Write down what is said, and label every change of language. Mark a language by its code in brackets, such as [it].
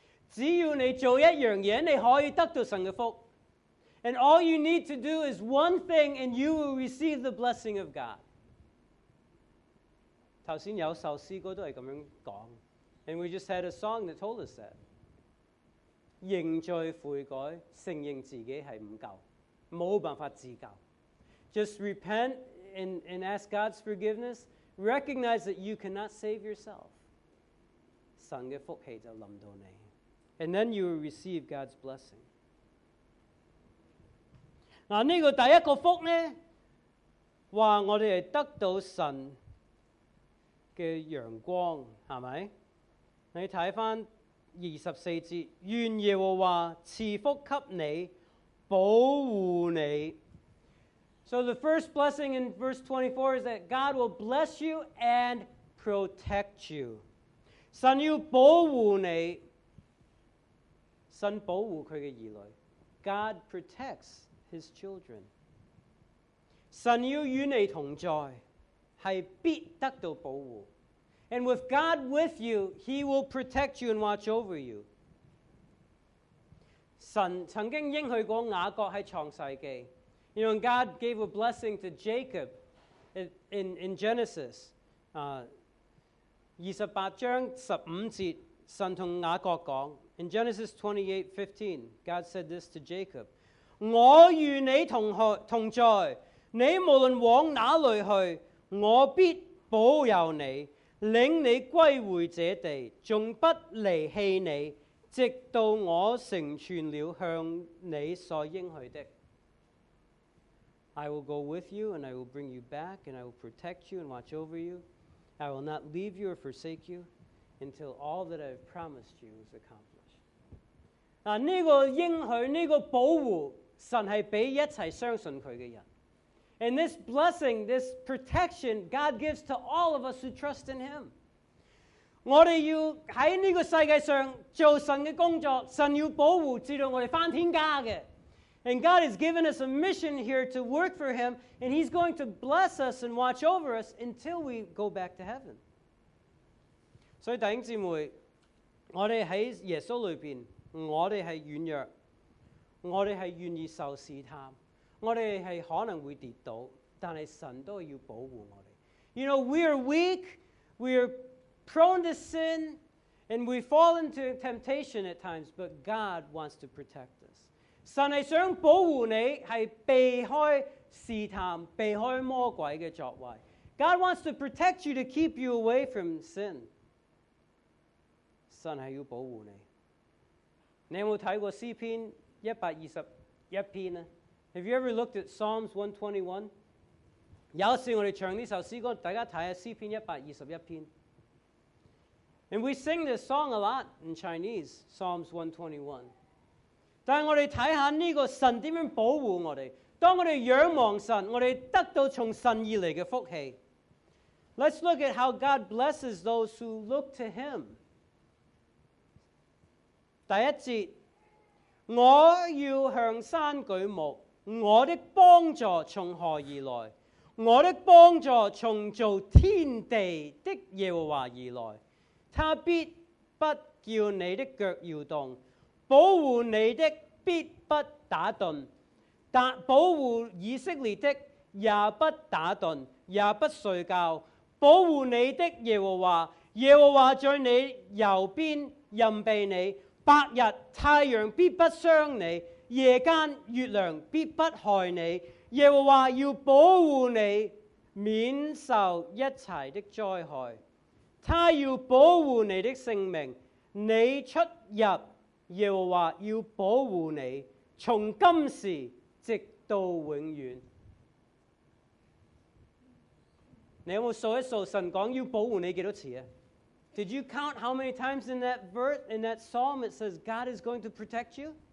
[yue] 只要你做一样嘢，你可以得到神嘅福。 [en] And all you need to do is one thing, and you will receive the blessing of God. [yue] 头先有首诗歌都系咁样讲。 [en] And we just had a song that told us that. [yue] 认罪悔改，承认自己系唔够，冇办法自救。 [en] Just repent and ask God's forgiveness. Recognize that you cannot save yourself. [yue] 神嘅福气就临到你。 [en] And then you will receive God's blessing. [yue] 嗱，呢个第一个福呢，话我哋系得到神嘅阳光，系咪？你睇翻24节，愿耶和华赐福给你，保护你。 [en] So the first blessing in verse 24 is that God will bless you and protect you. [yue] 神要保护你，神保护佢嘅儿女。 [en] God protects. His children. [yue] 神要与你同在，是必得到保护。 [en] And with God with you, He will protect you and watch over you. [yue] 神曾经应许过雅各在创世纪。 [en] You know, God gave a blessing to Jacob in Genesis. [yue] 28章15节，神同雅各讲。 [en] In Genesis 28:15, God said this to Jacob. [yue] 我与你同在，你无论往哪里去，我必保佑你，领你归回这地，仲不离弃你，直到我成全了向你所应许的。 [en] I will go with you, and I will bring you back, and I will protect you and watch over you. I will not leave you or forsake you until all that I have promised you is accomplished. [yue] 嗱，呢个应许，呢个保护。神是给一切相信祂的人。 [en] And this blessing, this protection, God gives to all of us who trust in Him. [yue] 我们要在这个世界上做神的工作，神要保护直到我们回天家的。 [en] And God has given us a mission here to work for Him, and He's going to bless us and watch over us until we go back to heaven. [yue] 所以弟兄姊妹，我们在耶稣里面，我们是软弱。我们是愿意受试探，我们是可能会跌倒，但是神都要保护我们。 [en] You know, we are weak, we are prone to sin, and we fall into temptation at times, but God wants to protect us. [yue] 神是想保护你，是避开试探，避开魔鬼的作为。 [en] God wants to protect you to keep you away from sin. [yue] 神是要保护你。你有没有看过诗篇？ [en] Have you ever looked at Psalms 121? [yue] 有时我们唱这首诗歌，大家看一下诗篇121篇。 [en] And we sing this song a lot in Chinese, Psalms 121. [yue] 但我们看看这个神怎样保护我们。当我们仰望神，我们得到从神而来的福气。 [en] Let's look at how God blesses those who look to Him. [yue] 第一节。我要向山举目，我的帮助从何而来？我的帮助从造天地的耶和华而来。他必不叫你的脚摇动，保护你的必不打顿，但保护以色列的也不打顿，也不睡觉。保护你的耶和华，耶和华在你右边任备你。白日太阳必不伤你，夜间月亮必不害你。耶和华要保护你，免受一切的灾害。他要保护你的性命，你出入耶和华要保护你，从今时直到永远。你有冇数一数神讲要保护你几多次啊？ [en] Did you count how many times in that verse, in that psalm, it says God is going to protect you?